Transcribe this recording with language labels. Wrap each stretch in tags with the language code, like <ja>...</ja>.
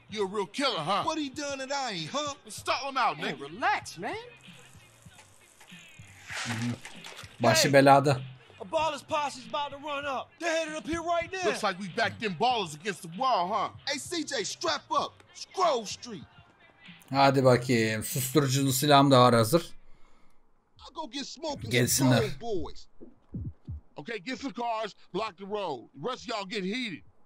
<en>You a real killer, huh? What he done that I ain't, huh? Stall him out, man. Hey, relax, man.</en> <tr>Başı beladı.</tr> <en>A baller's posse is about to run up. They're headed up here right now. Looks like we back them ballers against the wall, huh? Hey, CJ, strap up. Scroll Street.</en> <tr>Hadi bakayım. Susturucunun silahım da var hazır. Gelsinler.</tr> <en>Okay, get some cars, block the road. The rest of y'all get heated.</en>